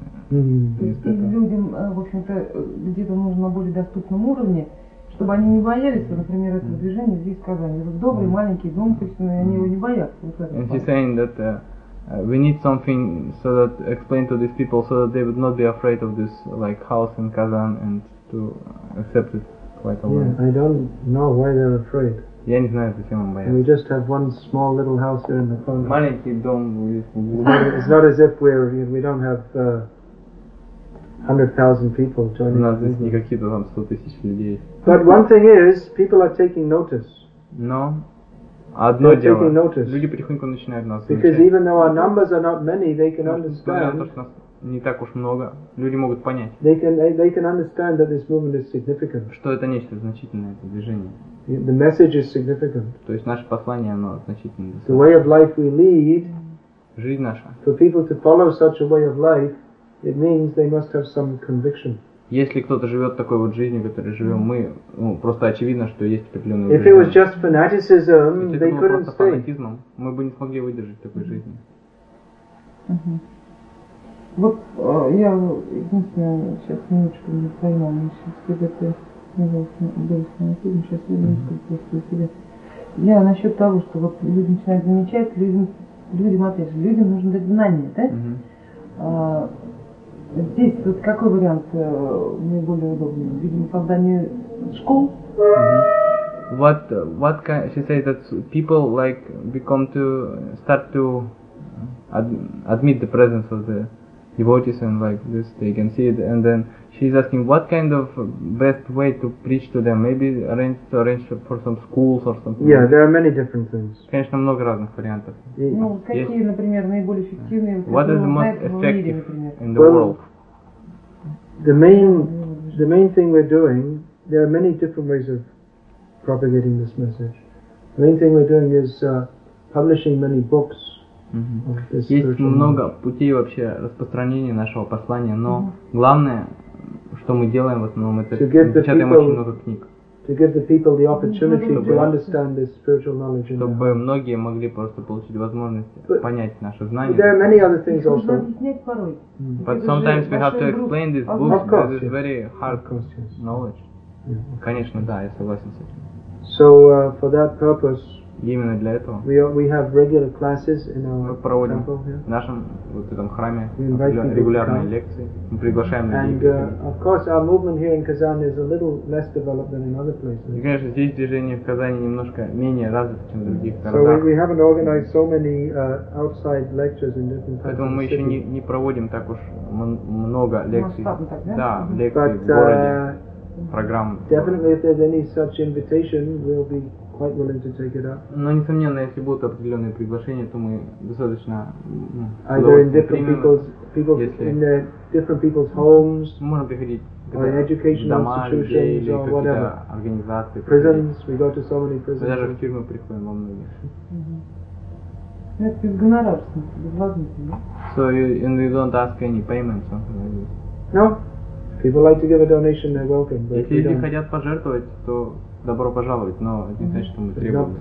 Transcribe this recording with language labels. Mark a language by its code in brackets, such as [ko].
[ru] И людям, в общем-то, где-то нужно на более доступном уровне, чтобы они не боялись, например, этого движения здесь в Казани. Это добрый, маленький дом, Кристина, они его не боятся. Вот это. [en] We need something so that explain to these people so that they would not be afraid of this like house in Kazan and to accept it quite a lot. Yeah, I don't know why they're afraid. [ru] Я не знаю, зачем он боится. [en] We just have one small little house here in the front. [ru] Маленький дом. [en] It's not as if we don't have 100,000 people joining. [ru] У нас здесь не какие-то там 100,000 людей. [en] But one thing is, people are taking notice. [ru] No. Одно дело. Люди потихоньку начинают нас замечать. Несмотря на то, что нас не так уж много, люди могут понять, [en] they can understand that this movement is significant. [ru] Что это нечто значительное, это движение. [en] The message is significant. [ru] То есть наше послание, оно значительное. [en] The way of life we lead, [ru] жизнь наша. [en] For people to follow such a way of life, it means they must have some conviction. [ru] Если кто-то живет такой вот жизнью, которой живем мы, ну, просто очевидно, что есть определенные жизни. Если это был просто фанатизмом, мы бы не смогли выдержать такой жизни. Вот я единственное, сейчас немножечко не поймал, мы сейчас когда-то был с фанатизмом, сейчас я немножко просто у тебя. Я насчет того, что вот люди начинают замечать, людям, опять же, людям нужно дать знания, да? Здесь вот какой вариант наиболее удобный? Видимо, создание школ. [en] What can she say that people like become to start to admit the presence of the devotees and like this they can see it and then she's asking what kind of best way to preach to them? Maybe arrange for some schools or something. Yeah, there are many different things. [ru] Конечно, много разных вариантов. Ну, какие, например, наиболее эффективные? [en] What is the most effective in the world? The main thing we're doing, there are many different ways of propagating this message. The main thing we're doing is publishing many books. [ru] Есть много путей вообще распространения нашего послания, но главное, что мы делаем в основном, это печатаем очень много книг. [en] To give the people the opportunity to understand this spiritual knowledge. [ru] Чтобы многие могли просто получить возможность понять наши знания. [en] There are many other things also. But sometimes we have to explain this book. This is very hard knowledge. [ru] Конечно, да, я согласен с этим. [en] So for that purpose. [ru] Именно для этого. [en] We have regular classes in our temple. [ru] Мы проводим в нашем вот этом храме регулярные лекции. Мы приглашаем людей. [en] And of course our movement here in Kazan is a little less developed than in other places. [ru] И, конечно, здесь движение в Казани немножко менее развито, чем в других городах. [en] So we haven't organized so many outside lectures in different places. [ru] Поэтому мы еще не проводим так уж много лекций. Да, лекции в городе, программ. [en] Definitely, if there's any such invitation, we'll be quite willing to take it up. [ru] Но несомненно, если будут определенные приглашения, то мы достаточно. [en] Either in different people's in their different people's homes. [ru] Мы можем приходить. [en] Or educational institutions or whatever. [ru] Организации. [en] Prisons. We go to so many prisons. [ru] Даже в тюрьмы приходим во многих. Это без гонорара, безвозмездно. [en] So you don't ask any payment, something like this. No. People like to give a donation, they're welcome. [ru] Если люди хотят пожертвовать, то добро пожаловать, но это не значит, что мы требуем.